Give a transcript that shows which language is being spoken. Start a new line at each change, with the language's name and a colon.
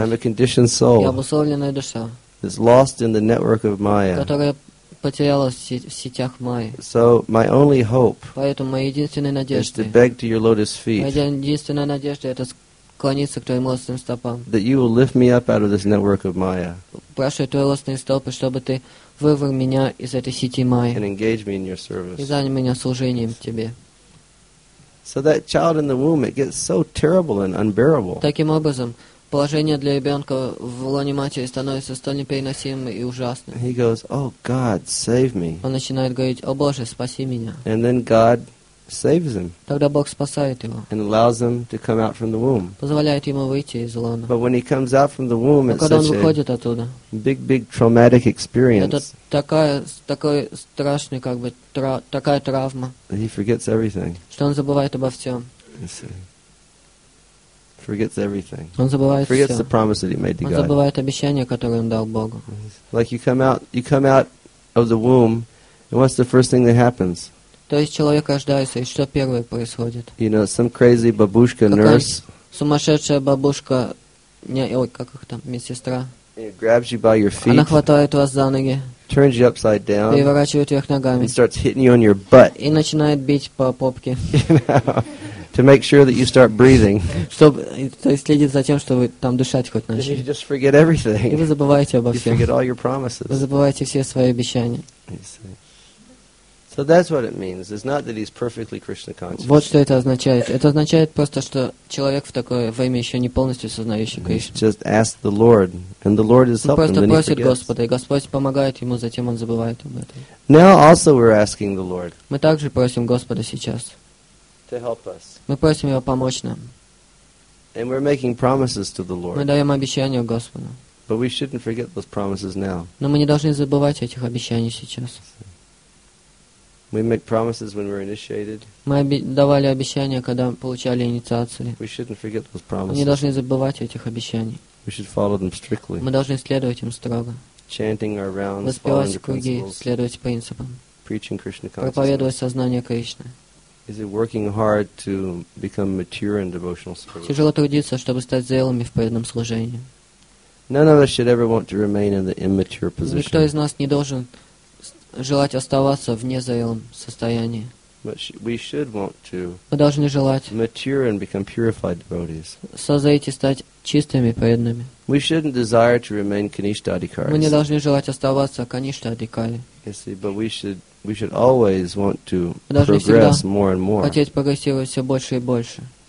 English: I'm a conditioned soul.
Russian: Я обусловленная душа.
English: Is lost in the network of Maya.
Russian: Которая потерялась в сетях Майи.
English: So my only hope.
Russian: Поэтому моя единственная надежда.
English: Is to beg to your lotus feet.
Russian: Моя единственная надежда это склониться к твоим лотосным стопам.
English: That you will lift me up out of this network of Maya.
Russian: Прошу твои лотосные стопы, чтобы ты вырвал меня из этой сети Майи.
English: And engage me in your service.
Russian: И занял меня служением тебе.
English: So that child in the womb, it gets so terrible and unbearable.
Russian: Таким образом. Положение для ребенка в лоне матери становится столь непереносимым и ужасным.
English: He goes, oh, God, save me.
Russian: Он начинает говорить, о Боже, спаси меня.
English: And then God saves him.
Russian: Тогда Бог спасает его.
English: And allows him to come out from the womb.
Russian: Позволяет ему выйти из лона.
English: But when he comes out from the womb,
Russian: Но когда он выходит оттуда,
English: big, big traumatic experience.
Russian: Это такая страшная, как бы, такая травма.
English: And he forgets everything.
Russian: Что он забывает обо всем.
English: Forgets everything.
Russian: Он забывает все.
English: Forgets the promise that he made to God.
Russian: Он забывает обещание, которое он дал Богу.
English: Like you come out of the womb, and what's the first thing that happens?
Russian: То есть человек рождается, и что первое происходит?
English: You know, some crazy
Russian: бабушка
English: nurse.
Russian: Сумасшедшая бабушка, не, ой, как их там, медсестра.
English: Grabs you by your feet.
Russian: Она хватает вас за ноги.
English: Turns you upside down.
Russian: Переворачивает вверх ногами.
English: And starts hitting you on your butt.
Russian: И начинает бить по попке.
English: To make sure that you start breathing.
Russian: То есть следить за тем, чтобы там дышать хоть начать.
English: You just forget everything.
Russian: И вы забываете обо всем.
English: You forget all your promises.
Russian: Вы забываете все свои обещания.
English: So that's what it means. It's not that he's perfectly Krishna conscious.
Russian: Вот что это означает. Это означает просто, что человек в такое время еще не полностью сознающий Кришну.
English: Just ask the Lord, and the Lord is helping.
Russian: Просто просит Господа, и Господь помогает ему, затем он забывает об этом.
English: Now also we're asking the Lord.
Russian: Мы также просим Господа сейчас.
English: To help us.
Russian: Мы просим его помочь нам.
English: And we're making promises to the Lord.
Russian: Мы даем обещания Господу.
English: But we shouldn't forget those promises now.
Russian: Но мы не должны забывать этих обещаний сейчас.
English: We make promises when we're initiated.
Russian: Мы давали обещания, когда получали инициации.
English: We shouldn't forget those promises.
Russian: Мы не должны забывать этих обещаний.
English: We should follow them strictly.
Russian: Мы должны следовать им строго.
English: Chanting our rounds,
Russian: воспевать круги, следовать принципам.
English: Preaching Krishna consciousness.
Russian: Проповедовать сознание Кришны.
English: Is it working hard to become mature in devotional service?
Russian: Тяжело трудиться, чтобы стать зрелыми в преданном служении.
English: None of us should ever want to remain in the immature position.
Russian: Никто из нас не должен желать оставаться в незрелом состоянии.
English: But we should want to.
Russian: Мы должны желать.
English: Mature and become purified devotees.
Russian: Созреть и стать чистыми преданными.
English: We shouldn't desire to remain kanishta adhikaris.
Russian: Мы не должны желать оставаться kanishta adhikari.
English: You see, but we should always want to progress more and more.
Russian: Хотеть прогрессировать все больше и больше.